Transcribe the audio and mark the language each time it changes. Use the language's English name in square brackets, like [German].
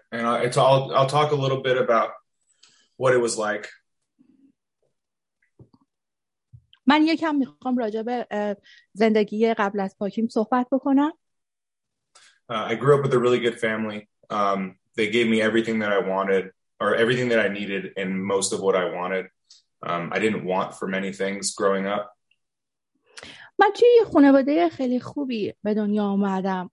[English] And I'll talk a little bit about what it was like. [Persian] من یکم میخوام راجع به زندگی قبل از پاکیم صحبت بکنم. [English] I grew up with a really good family. They gave me everything that I wanted or everything that I needed and most of what I wanted. I didn't want for many things growing up. [Persian] من توی یه خانواده خیلی خوبی به دنیا آمدم.